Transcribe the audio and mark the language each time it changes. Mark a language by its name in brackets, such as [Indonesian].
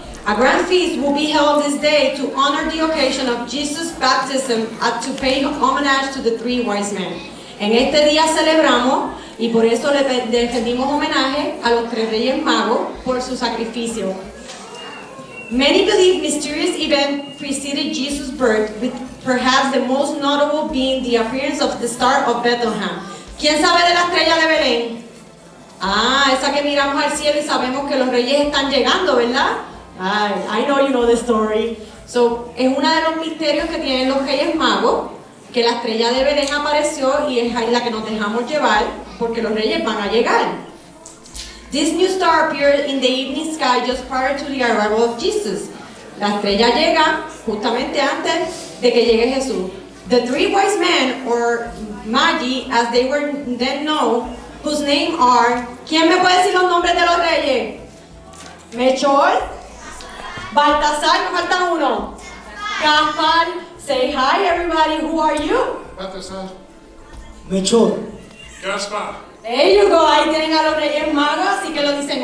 [English] A grand feast will be held this day to honor the occasion of Jesus' baptism and to pay homage to the three wise men. [Spanish] En este día celebramos y por eso le defendimos homenaje a los tres reyes magos por su sacrificio. [English] Many believe mysterious events preceded Jesus' birth, with perhaps the most notable being the appearance of the star of Bethlehem. [Spanish] ¿Quién sabe de la estrella de Belén? Ah, esa que miramos al cielo y sabemos que los reyes están llegando, ¿verdad? [English] I know you know the story. So, [Spanish] es uno de los misterios que tienen los reyes magos, que la estrella de Belén apareció y es ahí la que nos dejamos llevar porque los reyes van a llegar. [English] This new star appeared in the evening sky just prior to the arrival of Jesus. [Spanish] La estrella llega justamente antes de que llegue Jesús. [English] The three wise men, or Magi, as they were then known, whose name are... [Spanish] ¿Quién me puede decir los nombres de los reyes? Melchor. Baltasar, me falta uno. Gaspar. [English] Say hi, everybody. Who are you? [Spanish] Baltasar. Melchor. Gaspar. [English] There you go. [Spanish] Ahí tienen a los reyes magos, así que lo dicen.